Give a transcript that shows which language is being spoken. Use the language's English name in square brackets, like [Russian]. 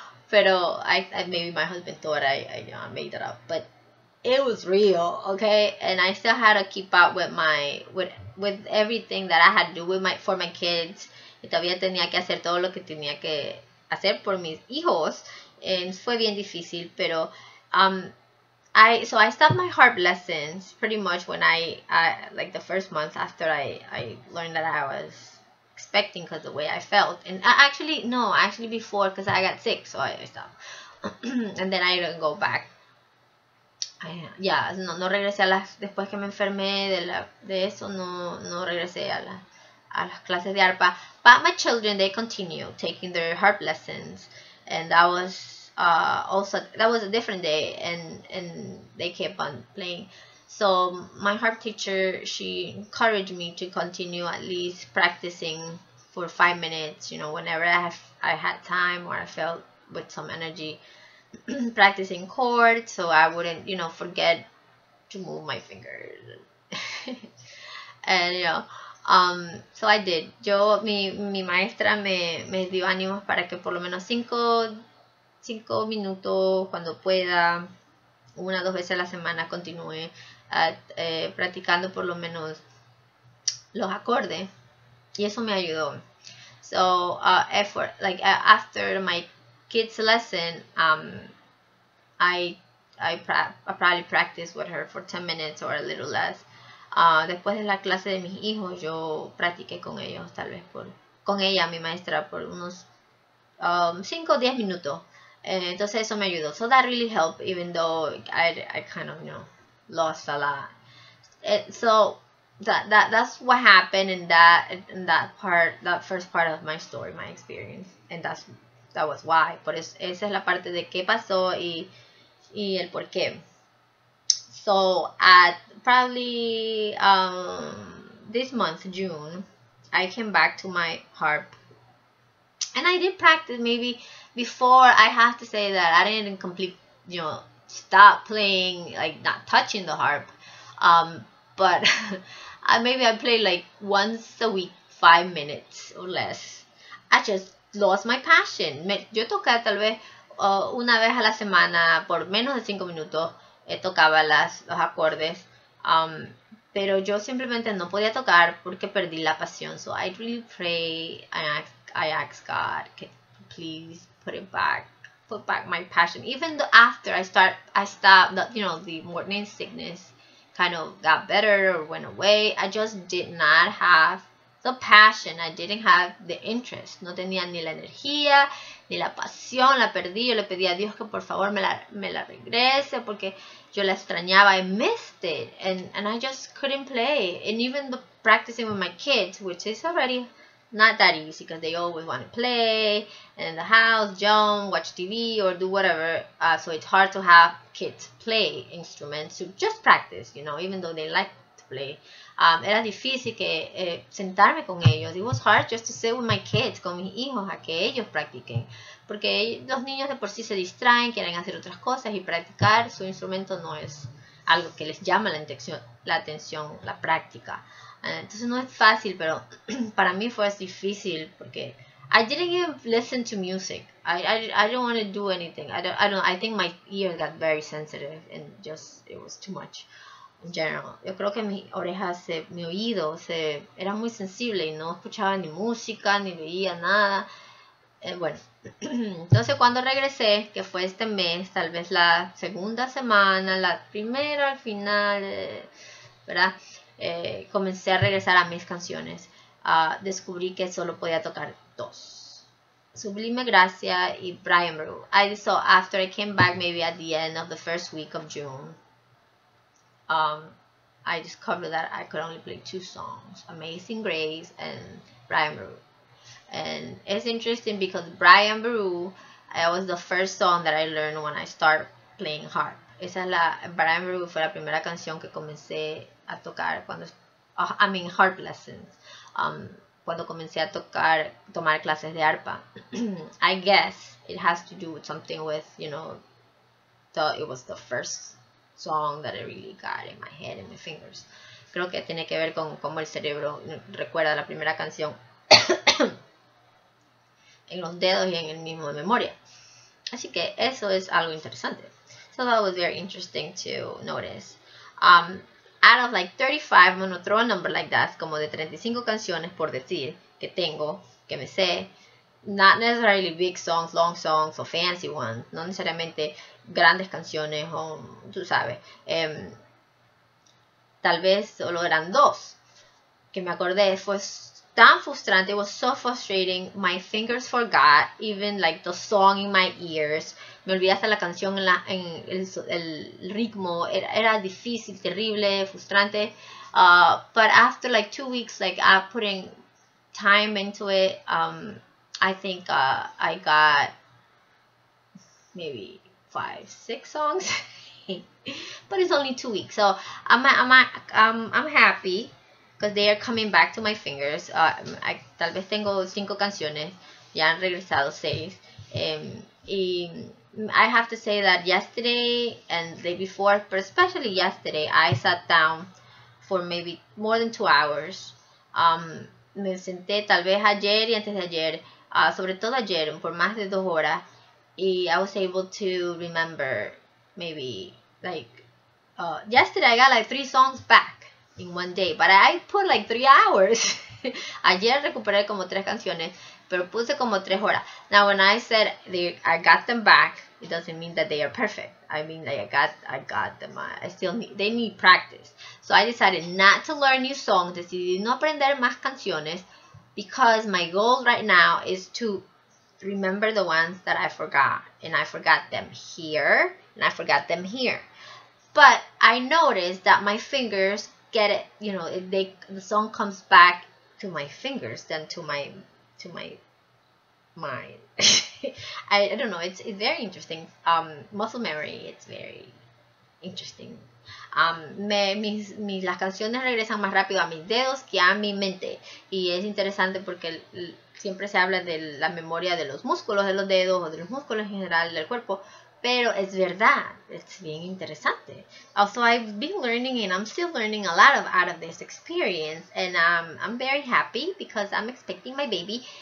[Spanish] pero [English] I maybe my husband thought I you know, I made it up, but it was real, okay? And I still had to keep up with everything that I had to do for my kids. [Spanish] Y todavía tenía que hacer todo lo que tenía que hacer por mis hijos. [English] And [Spanish] fue bien difícil, pero [English] I stopped my harp lessons pretty much when the first month after I learned that I was expecting because the way I felt. And actually before, because I got sick, so I stopped. And then I didn't go back. [Spanish] No regresé a las, después que me enfermé de eso, no regresé a las clases de arpa. [English] But my children, they continued taking their harp lessons, and that was also that was a different day, and they kept on playing. So my harp teacher, she encouraged me to continue at least practicing for 5 minutes, you know, whenever I had time or I felt with some energy practicing chords, so I wouldn't, you know, forget to move my fingers. And you know, so I did. [Spanish] Yo mi maestra me dio ánimos para que por lo menos 5 minutos cuando pueda, 1 o 2 veces a la semana, continúe practicando por lo menos los acordes, y eso me ayudó. [English] So after my kids' lesson, I probably practiced with her for 10 minutes or a little less. [Spanish] Después de la clase de mis hijos, yo practiqué con ellos, tal vez con ella, mi maestra, por unos 5 o 10 minutos. Entonces eso me ayudó. [English] So that really helped, even though I kind of, you know, lost a lot. So that's what happened in that first part of my story, my experience. And that was why. [Spanish] Por eso, esa es la parte de qué pasó y el por qué. [English] So at probably this month, June, I came back to my harp And I did practice maybe before. I have to say that I didn't complete, you know, stop playing, like not touching the harp. But I played like once a week, 5 minutes or less. I just lost my passion. [Spanish] Yo tocaba tal vez una vez a la semana por menos de 5 minutos. Tocaba los acordes. Pero yo simplemente no podía tocar porque perdí la pasión. [English] So I really pray and I ask God, please put it back, put back my passion. Even though after I stopped, the, you know, the morning sickness kind of got better or went away, I just did not have the passion. I didn't have the interest. [Spanish] No tenía ni la energía, ni la pasión, la perdí. Yo le pedí a Dios que por favor me la regrese porque yo la extrañaba. [English] I missed it and I just couldn't play. And even the practicing with my kids, which is already not that easy because they always want to play and in the house, jump, watch TV or do whatever. So it's hard to have kids play instruments, to just practice, you know, even though they like to play. [Spanish] Era difícil que sentarme con ellos. [English] It was hard just to sit with my kids, [Spanish] con mis hijos, a que ellos practiquen. Porque los niños de por sí se distraen, quieren hacer otras cosas y practicar su instrumento no es algo que les llama la atención, la práctica. Entonces no es fácil, pero para mí fue difícil porque [English] I didn't even listen to music. I don't want to do anything. I think my ear got very sensitive and just it was too much in general. [Spanish] Yo creo que mi oído era muy sensible y no escuchaba ni música ni veía nada. Bueno, entonces cuando regresé, que fue este mes, tal vez la segunda semana, la primera al final, ¿verdad? Comencé a regresar a mis canciones. Descubrí que solo podía tocar dos. Sublime Gracia y Brian Brew. [English] So after I came back, maybe at the end of the first week of June, I discovered that I could only play two songs, Amazing Grace and Brian Brew. And it's interesting because Brian Brew was the first song that I learned when I started playing harp. [Spanish] Esa es la, Brian Brew fue la primera canción que comencé a tocar cuando, [English] harp lessons, [Spanish] cuando comencé a tomar clases de arpa. [English] I guess it has to do with something with, you know, it was the first song that I really got in my head and my fingers. [Spanish] Creo que tiene que ver con cómo el cerebro recuerda la primera canción en los dedos y en el mismo de memoria. Así que eso es algo interesante. [English] So that was very interesting to notice. Out of like 35, I'm going to throw a number like that, [Spanish] como de 35 canciones por decir que tengo, que me sé. [English] Not necessarily big songs, long songs, or fancy ones. [Spanish] No necesariamente grandes canciones, o tú sabes. Tal vez solo eran dos. Que me acordé, fue tan frustrante, [English] it was so frustrating. My fingers forgot, even like the song in my ears. [Spanish] Me olvidé hasta la canción en el ritmo. Era difícil, terrible, frustrante. [English] But after like 2 weeks, like putting time into it, I think I got maybe 5-6 songs. But it's only 2 weeks, so I'm happy because they are coming back to my fingers. [Spanish] Tal vez tengo 5 canciones, ya han regresado 6. [English] Y I have to say that yesterday and the day before, but especially yesterday, I sat down for maybe more than 2 hours. [Spanish] Me senté tal vez ayer y antes de ayer, sobre todo ayer, por más de 2 horas, y [English] I was able to remember maybe like yesterday I got like 3 songs back in 1 day, but I put like 3 hours. [Spanish] Ayer recuperé como 3 canciones, pero puse como 3 horas. [English] Now, when I said I got them back, it doesn't mean that they are perfect. I mean, like, I got them. They need practice. So I decided not to learn new songs. [Spanish] Decidí no aprender más canciones [English] because my goal right now is to remember the ones that I forgot. And I forgot them here, and I forgot them here. But I noticed that my fingers get it, you know, the song comes back to my fingers than to my mind. I don't know, it's very interesting. Muscle memory, it's very interesting. [Spanish] Las canciones regresan más rápido a mis dedos que a mi mente, y es interesante porque siempre se habla de la memoria de los músculos, de los dedos o de los músculos en general del cuerpo. Pero es verdad, it's bien interesante. [English] Also, I've been learning and I'm still learning a lot of out of this experience. And I'm very happy because I'm expecting my baby.